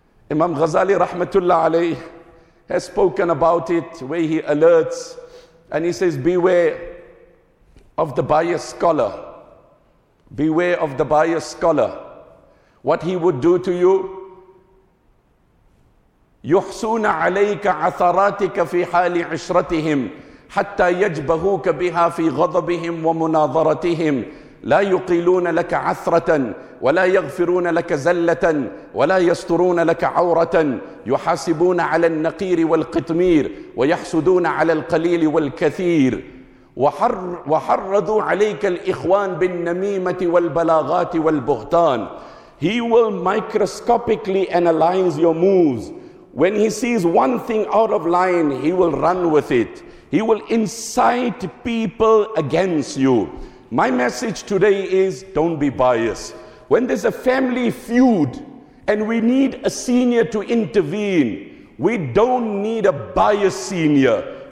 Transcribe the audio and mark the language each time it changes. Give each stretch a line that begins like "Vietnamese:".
English: Imam Ghazali rahmatullah alayh has spoken about it, where he alerts and he says, beware of the biased scholar. Beware of the biased scholar. What he would do to you,
Arabic: يحسون عليك عثراتك في حال عشرتهم حتى يجبهوك بها في غضبهم ومناظرتهم، لا يقيلون لك عثرة ولا يغفرون لك زلة ولا يسترون لك عورة، يحاسبون على النقير والقطمير ويحسدون على القليل والكثير، وحرضوا عليك الإخوان بالنميمة والبلاغات والبهتان.
English: He will microscopically analyze your moves. When he sees one thing out of line, he will run with it. He will incite people against you. My message today is, don't be biased. When there's a family feud and we need a senior to intervene, we don't need a biased senior.